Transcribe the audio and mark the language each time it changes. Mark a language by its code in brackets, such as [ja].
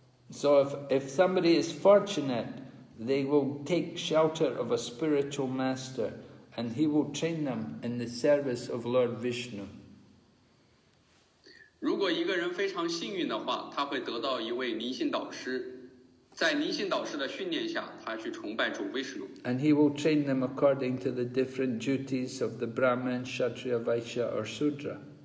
[en] So if somebody is fortunate, they will take shelter of a spiritual master, and he will train them in the service of Lord Vishnu. [zh] 如果一个人非常幸运的话，他会得到一位灵性导师，在灵性导师的训练下，他去崇拜主Vishnu。 [en] And he will train them according to the different duties of the Brahman, Kshatriya, Vaishya, or Sudra.